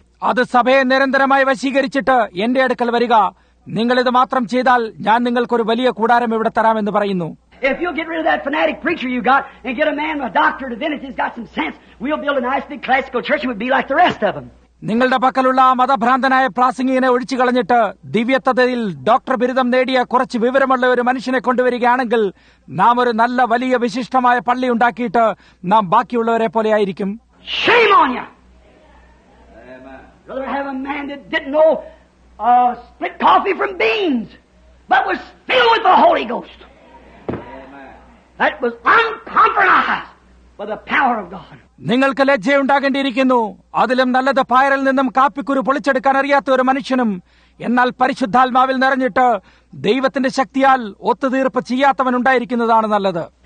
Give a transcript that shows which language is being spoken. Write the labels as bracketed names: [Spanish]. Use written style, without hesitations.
[Malayalam] അത് സഭയെ നിരന്തരമായി വശീകരിച്ചിട്ട് എന്റെ അടുക്കൽ വരിക, നിങ്ങൾ ഇത് മാത്രം ചെയ്താൽ ഞാൻ നിങ്ങൾക്കൊരു വലിയ കൂടാരം ഇവിടെ തരാമെന്ന് പറയുന്നു. [English] If you'll get rid of that fanatic preacher you got and get a man, a doctor, a divinity, he's got some sense, we'll build a nice big classical church and we'll be like the rest of them. [Malayalam] നിങ്ങളുടെ പക്കലുള്ള ആ മതഭ്രാന്തനായ പ്രാസംഗികനെ ഒഴിച്ചു കളഞ്ഞിട്ട് ദിവ്യത്വതയിൽ doctor ബിരുദം നേടിയ കുറച്ച് വിവരമുള്ള ഒരു മനുഷ്യനെ കൊണ്ടുവരികയാണെങ്കിൽ നാം ഒരു നല്ല വലിയ വിശിഷ്ടമായ പള്ളി ഉണ്ടാക്കിയിട്ട് നാം ബാക്കിയുള്ളവരെ പോലെയായിരിക്കും. [English] Shame on you. Amen. Brother, I have a man that didn't know split coffee from beans, but was filled with the Holy Ghost. Amen. That was uncompromised by the power of God. [Malayalam] നിങ്ങൾക്ക് ലജ്ജയുണ്ടാകേണ്ടിയിരിക്കുന്നു. അതിലും നല്ലത് പായറിൽ നിന്നും കാപ്പിക്കുരു പൊളിച്ചെടുക്കാൻ അറിയാത്ത ഒരു മനുഷ്യനും, എന്നാൽ പരിശുദ്ധാത്മാവിൽ നിറഞ്ഞിട്ട് ദൈവത്തിന്റെ ശക്തിയാൽ ഒത്തുതീർപ്പ് ചെയ്യാത്തവനുണ്ടായിരിക്കുന്നതാണ് നല്ലത്.